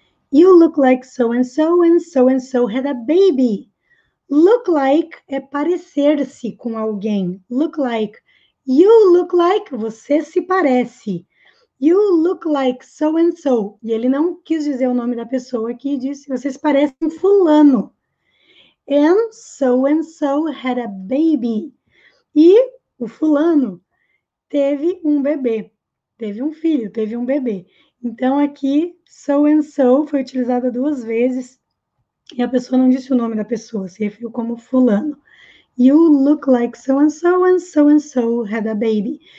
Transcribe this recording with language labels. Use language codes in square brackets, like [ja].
[en] You look like so-and-so and so-and-so had a baby. Look like [pt] é parecer-se com alguém. Look like. [en] You look like, [pt] você se parece. [en] You look like so-and-so. [pt] E ele não quis dizer o nome da pessoa aqui, disse, vocês parecem fulano. [en] And so had a baby. [pt] E o fulano teve um bebê, teve um filho, teve um bebê. Então aqui, so and so foi utilizada duas vezes e a pessoa não disse o nome da pessoa, se referiu como fulano. [en] You look like so and so had a baby.